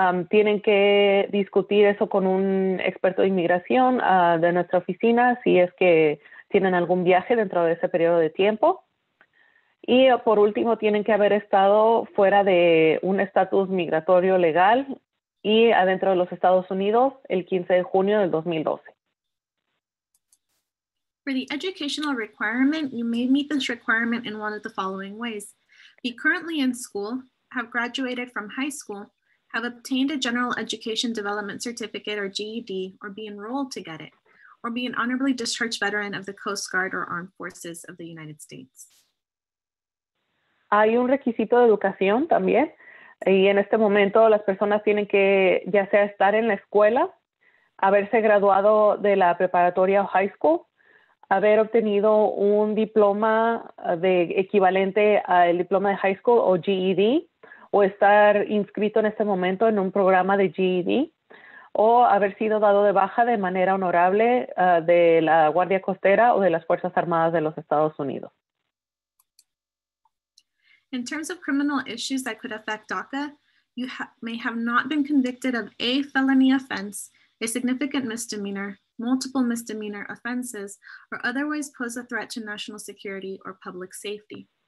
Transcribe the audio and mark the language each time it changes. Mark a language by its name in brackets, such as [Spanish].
[Spanish] Tienen que discutir eso con un experto de inmigración de nuestra oficina si es que tienen algún viaje dentro de ese periodo de tiempo. Y por último, tienen que haber estado fuera de un estatus migratorio legal y adentro de los Estados Unidos el 15 de junio del 2012. [English] For the educational requirement, you may meet this requirement in one of the following ways. Be currently in school, have graduated from high school, have obtained a General Education Development Certificate or GED, or be enrolled to get it, or be an honorably discharged veteran of the Coast Guard or Armed Forces of the United States. [Spanish] Hay un requisito de educación también, y en este momento las personas tienen que ya sea estar en la escuela, haberse graduado de la preparatoria o high school, haber obtenido un diploma de equivalente al diploma de high school o GED, o estar inscrito en este momento en un programa de GED, o haber sido dado de baja de manera honorable de la Guardia Costera o de las Fuerzas Armadas de los Estados Unidos. [English] In terms of criminal issues that could affect DACA, you may have not been convicted of a felony offense, a significant misdemeanor, multiple misdemeanor offenses, or otherwise pose a threat to national security or public safety.